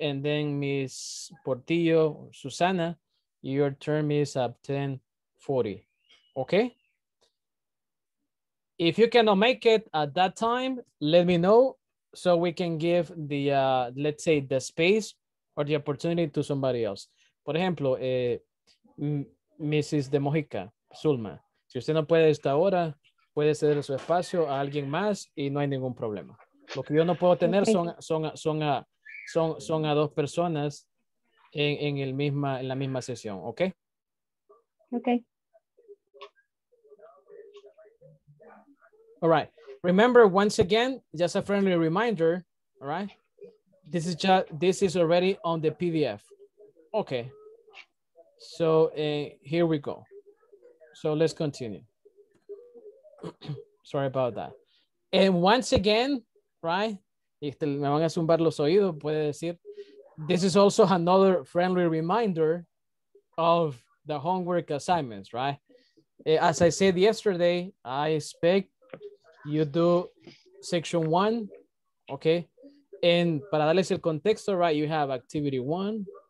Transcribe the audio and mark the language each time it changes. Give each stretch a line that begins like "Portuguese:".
English: And then Miss Portillo Susana, your term is at 10:40. Okay. If you cannot make it at that time, let me know so we can give the, let's say, the space or the opportunity to somebody else.
Spanish: Por ejemplo, Mrs. De Mojica, Zulma, si usted no puede esta hora, puede ceder su espacio a alguien más y no hay ningún problema. Lo que yo no puedo tener son a dos personas en la misma sesión, ¿ok? Ok.
English: All right. Remember, once again, just a friendly reminder. All right. This is already on the PDF. Okay. So here we go. So let's continue. Sorry about that. And once again, right?
Spanish: Me van a zumbar los oídos, puede decir.
English: This is also another friendly reminder of the homework assignments, right? As I said yesterday, I expect you do section one, okay? And
Spanish: para darles el contexto,
English: right, you have activity one.